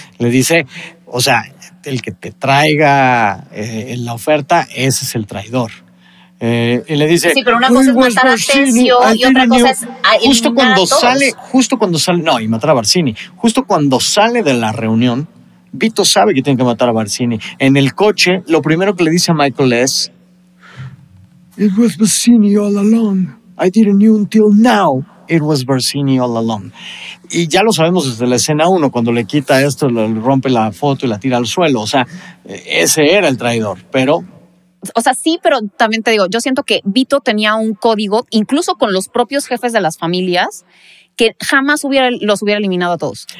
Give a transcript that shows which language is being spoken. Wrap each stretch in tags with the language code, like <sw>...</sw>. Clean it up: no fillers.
<es>Le dice, o sea, el que te traiga la oferta, ese es el traidor. Y le dice... Sí, pero una cosa es matar a Tecio y otra cosa es eliminar. Justo cuando sale... No, y matar a Barcini. Justo cuando sale de la reunión, Vito sabe que tiene que matar a Barcini. En el coche, lo primero que le dice a Michael es...</es> <en>It was Barcini all along. I didn't know until now it was Barcini all along.</en> <es>Y ya lo sabemos desde la escena 1, cuando le quita esto, le rompe la foto y la tira al suelo. O sea, ese era el traidor, pero... O sea, sí, pero también te digo, yo siento que Vito tenía un código, incluso con los propios jefes de las familias, que jamás los hubiera eliminado a todos.</es>